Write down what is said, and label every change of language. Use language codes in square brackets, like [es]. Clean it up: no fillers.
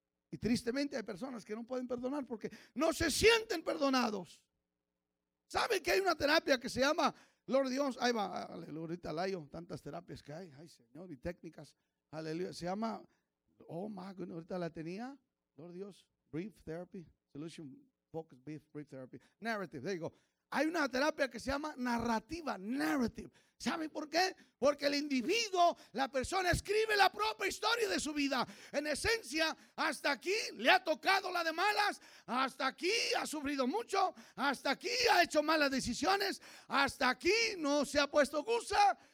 [es] Y tristemente hay personas que no pueden perdonar porque no se sienten perdonados. ¿Saben que hay una terapia que se llama, Lord Dios? Ahí va, aleluya, ahorita layo, tantas terapias que hay. Ay, Señor, y técnicas. Aleluya, se llama, [en] oh my goodness, [es] ahorita la tenía, Lord Dios. [en] Brief therapy, solution focused brief therapy, narrative, there you go. [es] Hay una terapia que se llama narrativa, narrative. ¿Saben por qué? Porque el individuo, la persona escribe la propia historia de su vida. En esencia, hasta aquí le ha tocado la de malas, hasta aquí ha sufrido mucho, hasta aquí ha hecho malas decisiones, hasta aquí no se ha puesto gusa.